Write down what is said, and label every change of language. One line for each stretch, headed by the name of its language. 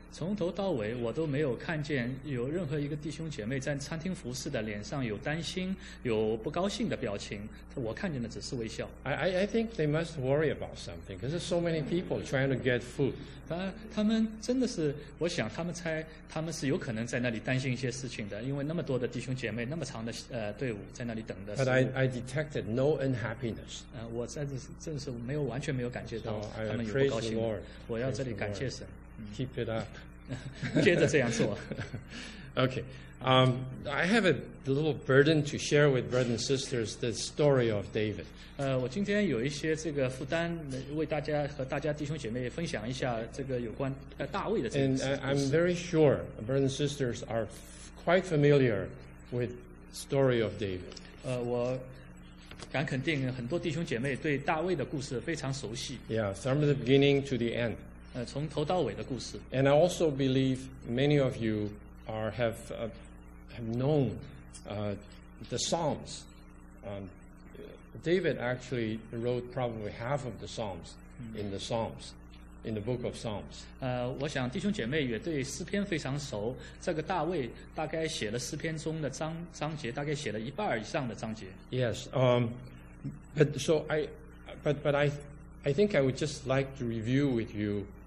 Chinese: 从头到尾我都没有看见有任何一个弟兄姐妹在餐厅服侍的脸上有担心有不高兴的表情，我看见的只是微笑。
English: I think they must worry about something because there's so many people trying to get food.
Chinese: 他们真的是，我想他们猜他们是有可能在那里担心一些事情的，因为那么多的弟兄姐妹那么长的队伍在那里等的。
English: But I detected no unhappiness.
Chinese: 我真的是没有完全没有感觉到他们有不高兴。
English: So I praise the
Chinese: Lord. 我要这里感谢神。
English: Keep it up.
Chinese: 接着这样做。
English: Okay. I have a little burden to share with brothers and sisters the story of David.
Chinese: 我今天有一些这个负担为大家和大家弟兄姐妹分享一下这个有关大卫的这个
English: 事。And I'm very sure brothers and sisters are quite familiar with the story of David.
Chinese: 我敢肯定很多弟兄姐妹对大卫的故事非常熟悉。
English: Yeah, from the beginning to the end.
Chinese: 从头到尾的故事。
English: And I also believe many of you have known the Psalms. David actually wrote probably half of the Psalms in the Psalms, in the book of Psalms.
Chinese: 我想弟兄姐妹也对诗篇非常熟。这个大卫大概写了诗篇中的章节，大概写了一半以上的章节。
English: Yes. But I think I would just like to review with you.